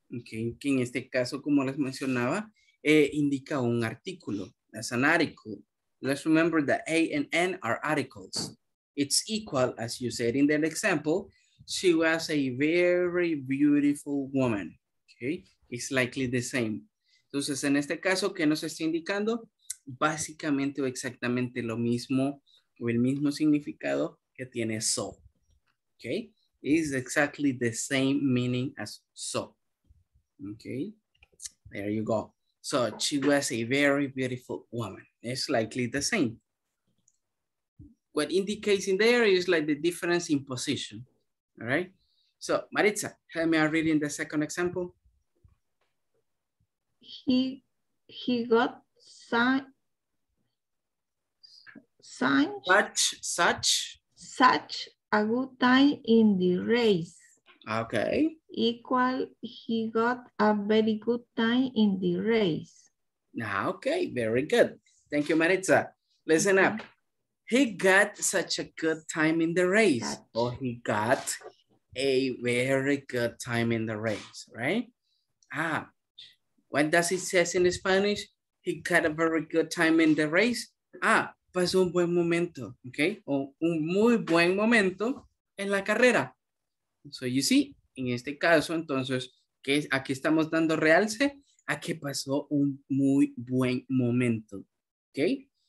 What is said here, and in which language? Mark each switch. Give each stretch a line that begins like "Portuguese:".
Spanish: Okay, que en este caso, como les mencionaba, indica un artículo.
English: That's an article. Let's remember that A and N are articles. It's equal, as you said in that example, she was a very beautiful woman. Okay, it's likely the same.
Spanish: Entonces, en este caso, ¿qué nos está indicando? Básicamente o exactamente lo mismo o el mismo significado que tiene so.
English: Okay, it's exactly the same meaning as so. Okay, there you go. So she was a very beautiful woman. It's likely the same. What indicates in there is like the difference in position. All right. So Maritza, help me read in the second example. He got such a good time in the race. Okay. Equal, he got a very good time in the race. Okay, very good. Thank you, Maritza. Listen up. He got such a good time in the race. Or he got a very good time in the race, right? What does it say in Spanish? He got a very good time in the race.
Spanish: Pasó un buen momento, okay? O un muy buen momento en la carrera.
English: So you see,
Spanish: en este caso, entonces, ¿qué es? Aquí estamos dando realce a que pasó un muy buen momento, okay?